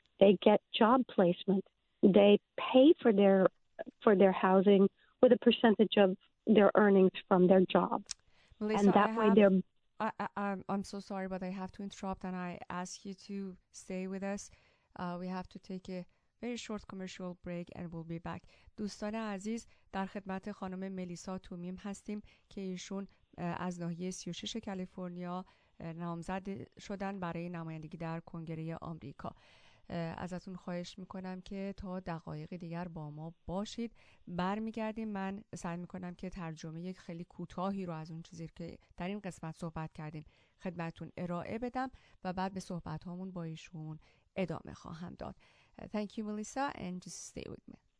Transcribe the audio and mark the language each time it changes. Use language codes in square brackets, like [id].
[en] They get job placement. They pay for their housing with a percentage of their earnings from their job. Melissa, and that way they're... I'm so sorry, but I have to interrupt and I ask you to stay with us. We have to take a very short commercial break and we'll be back. [fa] دوستان عزیز، در خدمت خانم ملیسا تومیم هستیم که ایشون از ناحیه 36 کالیفرنیا نامزد شدن برای نمایندگی در کنگره آمریکا. ازتون خواهش میکنم که تا دقایق دیگر با ما باشید. برمیگردیم. من سعی میکنم که ترجمه یک خیلی کوتاهی رو از اون چیزی که در این قسمت صحبت کردیم خدمتون ارائه بدم و بعد به صحبت هامون با ایشون ادامه خواهم داد. [en] Thank you, Melissa, and just stay with me.